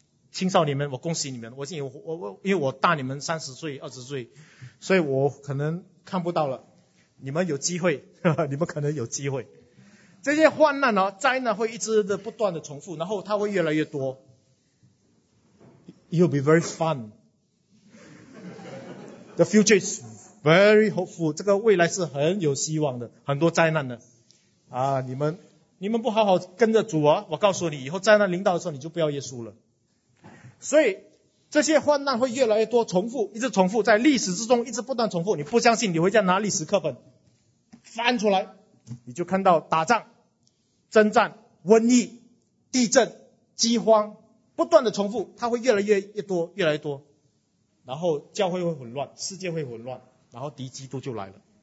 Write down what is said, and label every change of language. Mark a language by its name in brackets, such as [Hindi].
[Chinese] 青少年们，我恭喜你们，我因为我大你们三十岁、二十岁，所以我可能看不到了。你们有机会，你们可能有机会。这些患难呢、灾难会一直的不断的重复，然后它会越来越多。 [English] It'll be very fun. The future is very hopeful. [Chinese] 这个未来是很有希望的，很多灾难的。啊，你们不好好跟着主啊，我告诉你，以后灾难临到的时候，你就不要耶稣了。所以这些患难会越来越多，重复，一直重复，在历史之中一直不断重复。你不相信，你回家拿历史课本翻出来，你就看到打仗、征战、瘟疫、地震、饥荒不断的重复，它会越来 越多越来越多，然后教会会混乱，世界会混乱，然后敌基督就来了。